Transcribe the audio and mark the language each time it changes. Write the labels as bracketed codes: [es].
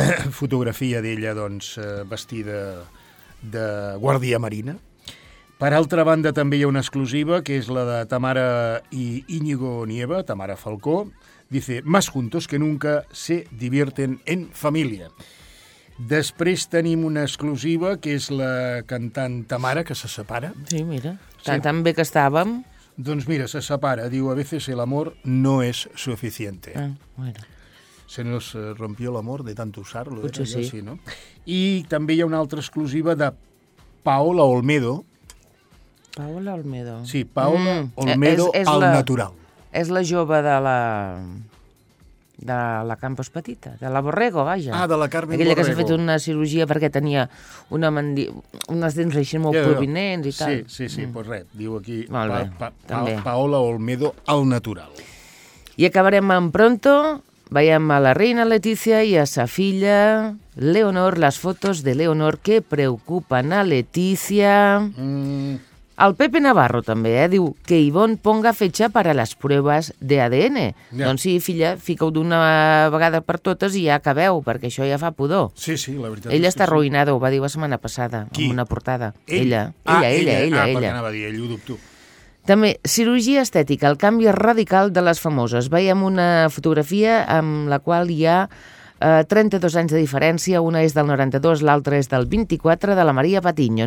[ca] Fotografia d'ella doncs, vestida de guàrdia marina. Per altra banda, també hi ha una exclusiva, que és la de Tamara i Íñigo Nieva, Tamara Falcó. [es] Dice, más juntos que nunca se divierten en familia. [ca] Després tenim una exclusiva, que és la cantant Tamara, que se separa. Sí, mira, tan bé que estàvem. Doncs mira, se separa. [es] Diu, a veces el amor no es suficiente. Ah, bueno. Se nos rompió el amor de tanto usarlo. [ca] Potser sí. Sí, no? I també hi ha una altra exclusiva de Paola Olmedo, Paola Olmedo. Sí, Paola Olmedo és al natural. És la jove de la Campos Petita, de la Borrego, vaja. Ah, de la Carmen Aquella Borrego. Aquella que s'ha fet una cirurgia perquè tenia unes dents així molt prominents i tal. Sí, sí, sí, pues res, diu aquí Paola Olmedo al natural. I acabarem amb Pronto. Veiem a la reina Letícia i a sa filla Leonor, les fotos de Leonor que preocupen a Letícia. [es] El Pepe Navarro [ca] també, diu que [es] Ivonne ponga fecha para las pruebas de ADN. [ca] Ja. Doncs sí, filla, fica-ho d'una vegada per totes i ja acabeu, perquè això ja fa pudor. Sí, sí, la veritat. Ella està arruïnada, ho va dir la setmana passada. Qui? En una portada. Ella. Ella, ella, ella. Ah, ella. Perquè anava a dir, ell ho dubto. També, cirurgia estètica, el canvi radical de les famoses. Veiem una fotografia amb la qual hi ha 32 anys de diferència, una és del 92, l'altra és del 24, de la Maria Patiño.